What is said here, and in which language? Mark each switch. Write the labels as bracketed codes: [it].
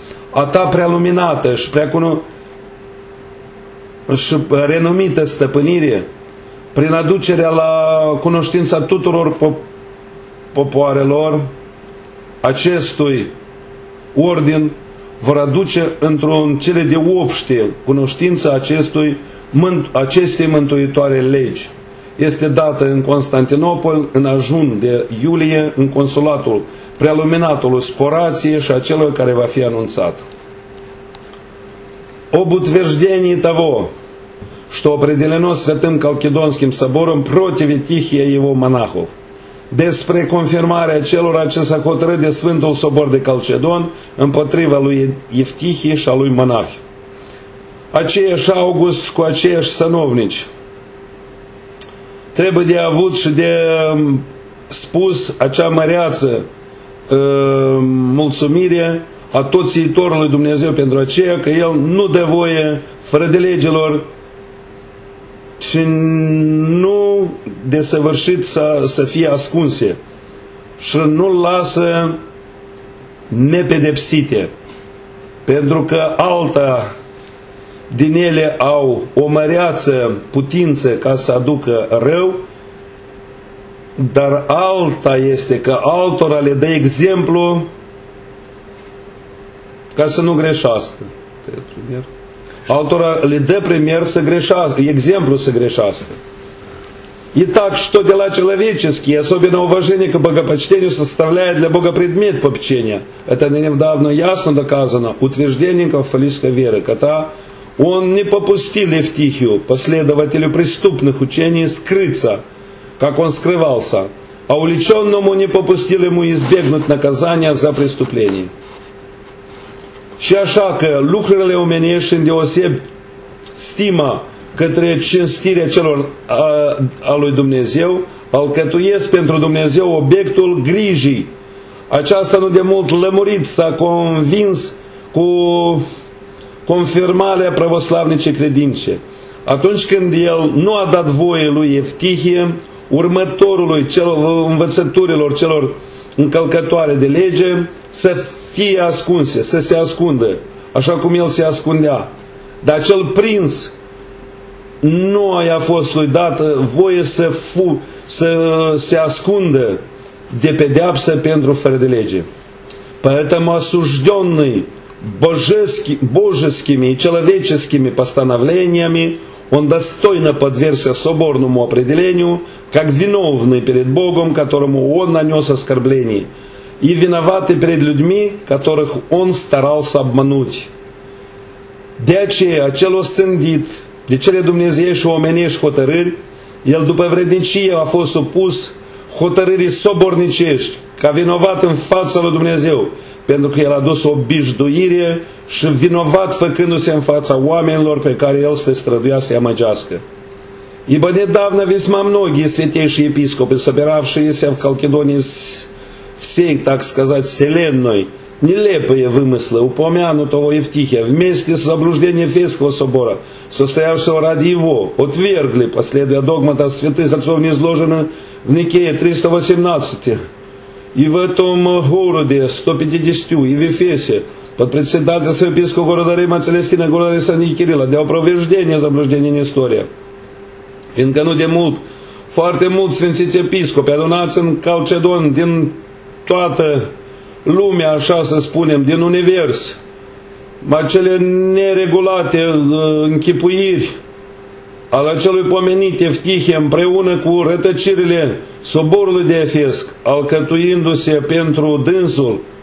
[ro] A ta prealuminată și și renumită stăpânire, prin aducerea la cunoștința tuturor popoarelor, acestui ordin vor aduce într-un cele de obște cunoștința acestei mântuitoare legi. Este dată în Constantinopol în ajun de iulie în consulatul prealuminatului Sporație și acelor care va fi anunțat. [ru] Обутверждение того, что определено Святым Халкидонским собором против Тихия и его монахов. [ro] Despre confirmarea celor ce s-a hotărât de Sfântul Sobor de Calcedon împotriva lui Eftihie și a lui monah. Aceiași august cu aceiași sănovnici trebuie de avut și de spus acea măreață mulțumire a tot țiitorului Dumnezeu pentru aceea că el nu dă voie frădelegilor și nu desăvârșit să fie ascunse și nu lasă nepedepsite, pentru că alta din ele au o măreață putință ca să aducă rău, dar alta este că altora le dă exemplu ca să nu greșească. Altora le dă premier să greșească, exemplu să greșească. [ru] И так, что дела человеческие, особенно уважение к богопочтению, составляет для Бога предмет попечения. Это недавно ясно доказано утверждением фалийской веры, когда он не попустил Евтихию, последователю преступных учений, скрыться, как он скрывался, а увлеченному не попустил ему избегнуть наказания за преступление. [ro] Și așa că lucrurile omenești îndeoseb stima către cinstirea celor a lui Dumnezeu, alcătuiesc pentru Dumnezeu obiectul grijii. Aceasta nu de mult lămurit s-a convins cu confirmarea pravoslavnice credințe. Atunci când el nu a dat voie lui Eftihie, următorului celor învățăturilor celor încălcătoare de lege, să fie ascunse, să se ascundă, așa cum el se ascundea. Dar cel prins nu i-a fost lui dată voie să se ascundă de pedeapsă pentru fără de lege. [ru] Поэтому осужденный божескими и человеческими постановлениями, он достойно подвергся соборному определению, как виновный перед Богом, которому он нанес оскорбление, и виноватый перед людьми, которых он старался обмануть. [ro] De aceea, acel osândit, de cele dumnezeiești omenești hotărâri, el după vrednicie a fost supus hotărârii sobornicești, ca vinovat în fața lui Dumnezeu, pentru că el a dus obișduire și vinovat făcându-se în fața oamenilor pe care el se străduia să-i amăgească. [ru] Ибо недавно весьма многие святейшие епископы, собиравшиеся в Халкидоне всей, так сказать, вселенной, нелепые вымыслы упомянутого Евтихия вместе с заблуждением Ефесского собора, состоявшего ради его, отвергли, последуя догматам святых отцов, изложенным в Никее 318, и в этом городе 150, и в Ефесе, под председательством епископа города Рима Целестина, города Александра Кирилла, для опровержения заблуждения Нестория. [ro] Încă nu de mult, foarte mulți sfințiți episcopi adunați în Calcedon din toată lumea, așa să spunem, din univers, acele neregulate închipuiri al acelui pomenit Eftihie împreună cu rătăcirile soborului de Efesc, alcătuindu-se pentru dânsul,